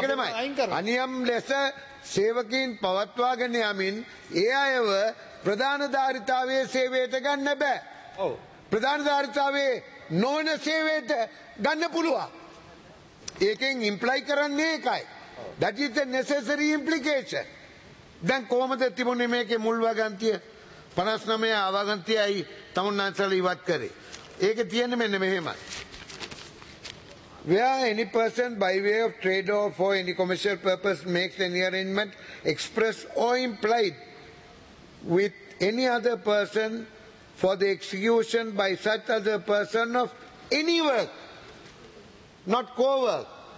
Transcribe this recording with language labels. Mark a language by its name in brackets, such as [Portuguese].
[Sinhala] තමයි අනියම් ලෙස සේවකීන් පවත්වාගෙන යමින් ඒ අයව ප්‍රධාන ධාරිතාවයේ සේවයට ගන්න බෑ. ඔව්. ප්‍රධාන ධාරිතාවයේ නොවන සේවයට ගන්න පුළුවන්. ඒකෙන් ඉම්ප්ලයි කරන්නේ ඒකයි. [English] That is a necessary implication. [Sinhala] දැන් කොහොමද තිබුණේ මේකේ මුල් වගන්තිය 59 අවගන්තියයි තමුන්නාන්සල ඉවත් කරේ. ඒක තියෙන්නේ මෙන්න මෙහෙමයි. [English] Where any person by way of trade or for any commercial purpose makes any arrangement express or implied with any other person for the execution by such other person of any work, not co-work.